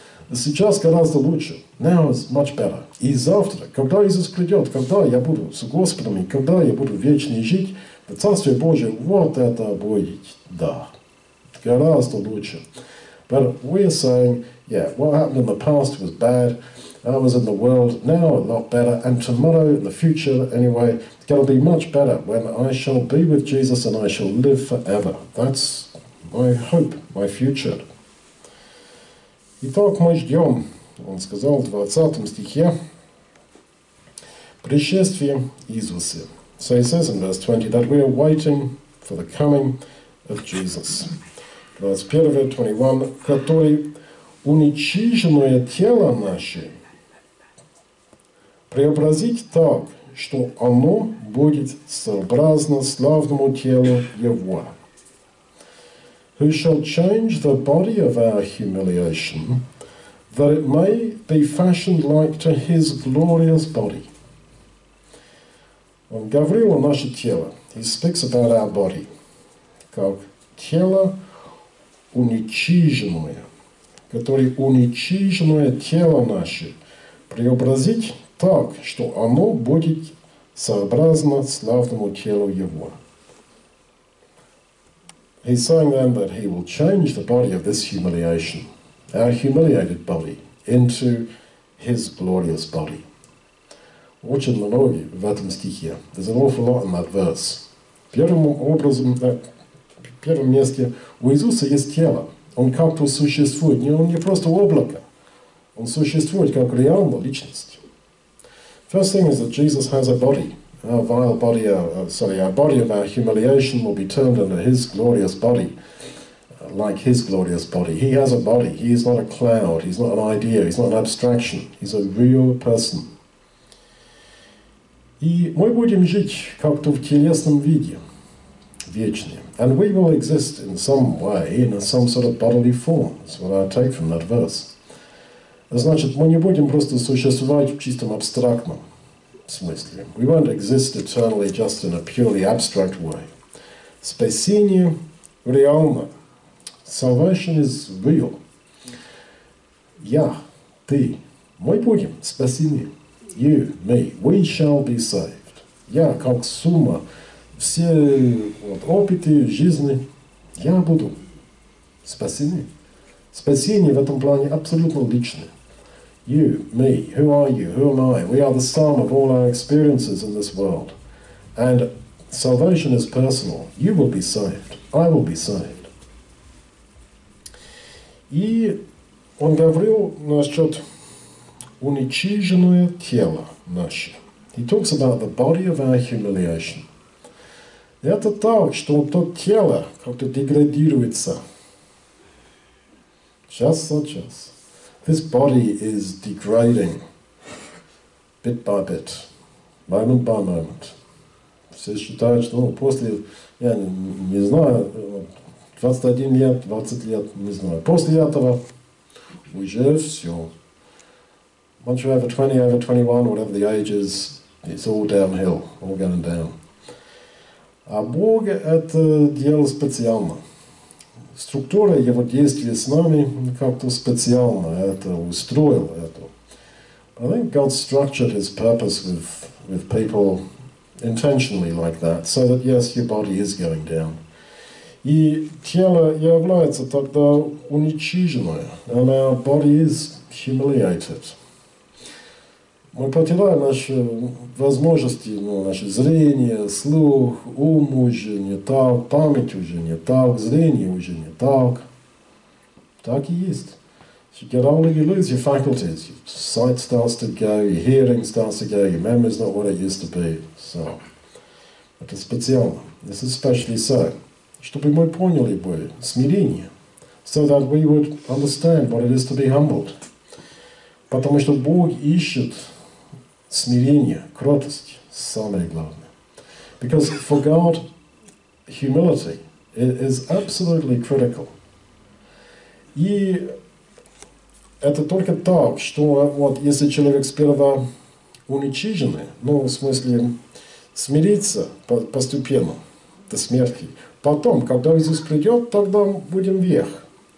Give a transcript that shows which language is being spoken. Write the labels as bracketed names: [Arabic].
[Russian] Сейчас гораздо лучше. [English] Now it's much better. [Russian] И завтра, когда Иисус придет, когда я буду с Господом, и когда я буду вечно жить, в Царстве Божьем, вот это будет, да. Гораздо лучше. [English] But we're saying, yeah, what happened in the past was bad. I was in the world, now a lot better. And tomorrow, in the future, anyway, it's going to be much better when I shall be with Jesus and I shall live forever. That's my hope, my future. [Russian] Итак, мы ждем, он сказал в 20 стихе, пришествия Иисуса. [English] So he says in verse 20 that we are waiting for the coming of Jesus. Verse 1, 21, [Russian] который уничиженное тело наше преобразить так, что оно будет сообразно славному телу Его. [English] Who shall change the body of our humiliation, that it may be fashioned like to his glorious body. [Russian] Он говорил о наше тело. [English] He speaks about our body. [Russian] Как тело уничиженное, которое уничиженное тело наше, преобразить так, что оно будет сообразно славному телу Его. [English] He's saying then that he will change the body of this humiliation, our humiliated body, into his glorious body. [Russian] Очень много в этом стихе. [English] There's an awful lot in that verse. [Russian] Первым образом, первом месте, у Иисуса есть тело. Он как-то существует. Не, он не просто облако. Он существует как реальная личность. [English] First thing is that Jesus has a body. Our vile body, our body of our humiliation will be turned into his glorious body, like his glorious body. He has a body. He is not a cloud. He's not an idea. He's not an abstraction. He's a real person. [Russian] И мы будем жить как-то в телесном виде, вечно. [English] And we will exist in some way, in some sort of bodily form. That's what I take from that verse. [Russian] Значит, мы не будем просто существовать в чистом абстрактном. [English] We won't exist eternally just in a purely abstract way. [Russian] Спасение реально. [English] Salvation is real. [Russian] Я, ты, мы будем спасены. [English] You, me, we shall be saved. [Russian] Я, как сумма, все вот, опыты жизни, я буду спасены. Спасение в этом плане абсолютно личное. [English] You, me, who are you, who am I? We are the sum of all our experiences in this world. And salvation is personal. You will be saved. I will be saved. [Russian] И он говорил насчет уничиженное тело наше. [English] He talks about the body of our humiliation. [Russian] Это так, что то тело как-то деградируется. [English] Just such as. This body is degrading, bit by bit, moment by moment. [Russian] Все считают, что ну, после, я не знаю, 21 лет, 20 лет, не знаю, после этого уже все. [English] Once you're over 20, over 21, whatever the age is, it's all downhill, all going down. [Russian] А Бог это делал специально. Структура его действия с нами как-то специально это устроил. [English] I think God structured his purpose with people intentionally like that, so that yes, your body is going down. [Russian] И тело является тогда уничиженное, [English] and our body is humiliated. [Russian] Мы потеряем наши возможности, ну, наше зрение, слух, ум уже не так, память уже не так, зрение уже не так. Так и есть. [English] You get older, you lose your faculties. Your sight starts to go, your hearing starts to go, your memory is not what it used to be. So, [Russian] это специально. [English] This is especially so. [Russian] Чтобы мы поняли бы смирение. [English] So that we would understand what it is to be humbled. [Russian] Потому что Бог ищет смирение, кротость, самое главное. [English] Because for God, humility is absolutely critical. [Russian] И это только так, что вот если человек сперва уничиженный, ну, в смысле, смирится постепенно до смерти, потом, когда Иисус придет, тогда будем вверх.